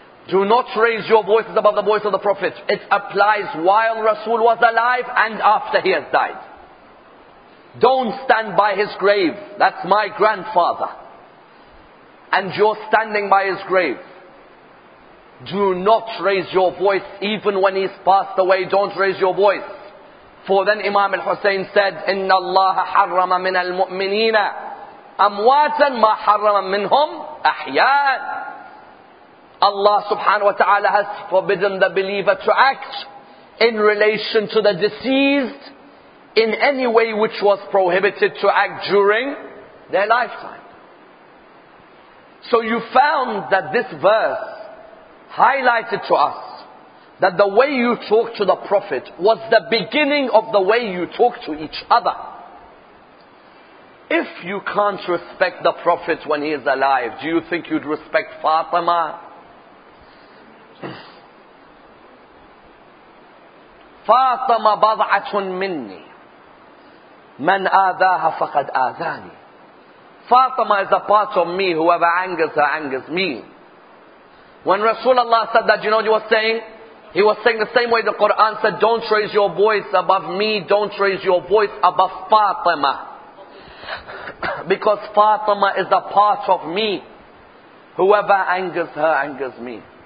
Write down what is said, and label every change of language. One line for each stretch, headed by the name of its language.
English: Do not raise your voices above the voice of the Prophet. It applies while Rasul was alive and after he has died. Don't stand by his grave. That's my grandfather. And you're standing by his grave. Do not raise your voice even when he's passed away. Don't raise your voice. For then Imam al-Hussein said,
Arabic: إِنَّ اللَّهَ حَرَّمَ مِنَ الْمُؤْمِنِينَ أَمْوَاتًا مَا حَرَّمَ مِنْهُمْ أَحْيَانًا.
English: Allah subhanahu wa ta'ala has forbidden the believer to act in relation to the deceased in any way which was prohibited to act during their lifetime. So you found that this verse highlighted to us that the way you talk to the Prophet was the beginning of the way you talk to each other. If you can't respect the Prophet when he is alive, do you think you'd respect Fatima?
Arabic: فاطمة بضعة مني من آذاها فقد آذاني.
English: Fatima is a part of me, whoever angers her angers me. When Rasulullah said that, you know what he was saying? He was saying the same way the Quran said, don't raise your voice above me, don't raise your voice above Fatima. Because Fatima is a part of me, whoever angers her angers me.